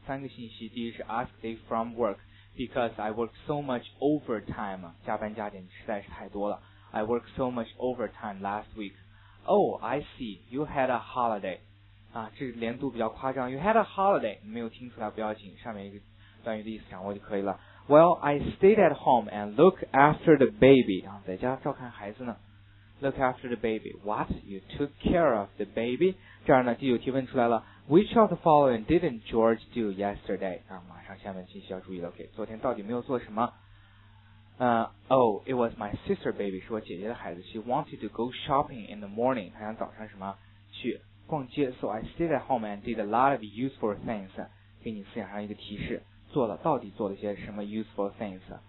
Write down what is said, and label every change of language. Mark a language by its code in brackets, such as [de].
[zh] 三个信息，第一是 [en] ask day from work。 Because I work so much overtime, [zh] 加班加点实在是太多了。 [en] I work so much overtime last week. Oh, I see. You had a holiday. [zh] 啊，这连读比较夸张。 [en] You had a holiday. [zh] 没有听出来不要紧，上面一个短语的意思掌握就可以了。 [en] Well, I stayed at home and look after the baby. [zh] 啊，在家照看孩子呢。 [en] Look after the baby. What? You took care of the baby? [zh] 这儿呢，第九题问出来了。 [en] Which of the following didn't George do yesterday? [zh] 啊，马上下面信息要注意了。OK， 昨天到底没有做什么？ [en] It was my sister baby， [zh] 是我姐姐的孩子。 [en] She wanted to go shopping in the morning， [zh] 她想早上什么去逛街。 [en] So I stayed at home and did a lot of useful things， [zh] 给你思想上一个提示，做了到底做了些什么 [en] useful things？